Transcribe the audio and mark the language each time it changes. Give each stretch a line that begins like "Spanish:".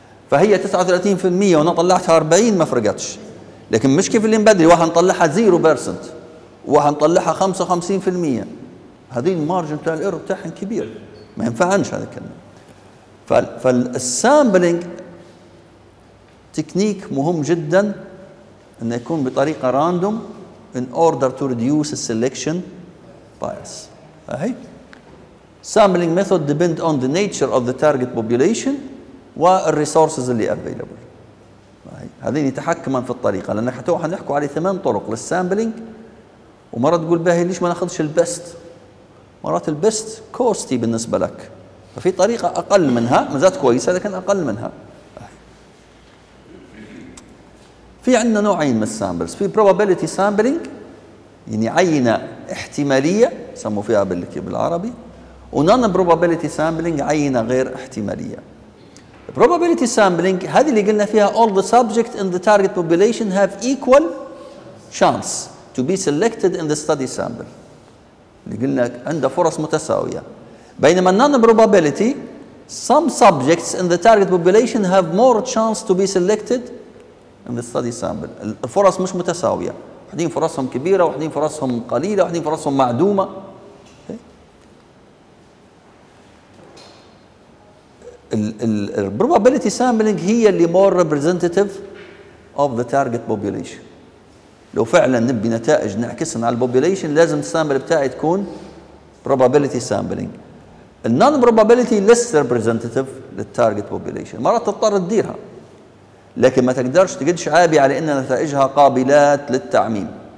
Arabic: فهي 39% وانا طلعتها 40 ما فرقتش، لكن مش كيف اللي مبدري واحد نطلعها 0% واحد نطلعها 55%، هذه المارجن بتاع الايرور بتاعهم كبير ما ينفعنش هذا الكلام. فالسامبلينج تكنيك مهم جدا انه يكون بطريقة راندوم in order to reduce the selection bias.
English: هاي sampling method depend on the nature of the target population والresources اللي available.
Arabic: هاي هذين يتحكم في الطريقه، لان حتوح نحكوا على 8 طرق للسامبلينج. ومرات تقول باهي ليش ما ناخذش البست؟ مرات البست كوستي بالنسبه لك، ففي طريقه اقل منها ما زالت كويسه لكن اقل منها. في عندنا نوعين من السامبلز، في probability sampling يعني عينة احتمالية سموا فيها بالعربي، و non-probability sampling عينة غير احتمالية.
English: probability sampling هذه اللي قلنا فيها all the subjects in the target population have equal chance to be selected in the study sample، اللي قلنا عنده فرص متساوية. بينما non-probability some subjects in the target population have more chance to be selected in the study sample.
Arabic: الفرص مش متساوية، واحدين فرصهم كبيرة واحدين فرصهم قليلة واحدين فرصهم معدومة.
English: ال probability sampling هي اللي more representative of the target population.
Arabic: لو فعلا نبي نتائج نعكسن على population لازم السامبل بتاعي تكون probability sampling. ال non-probability less representative للtarget population، مرات تضطر تديرها لكن ما تقدرش تقعد شعابي على ان نتائجها قابلات للتعميم.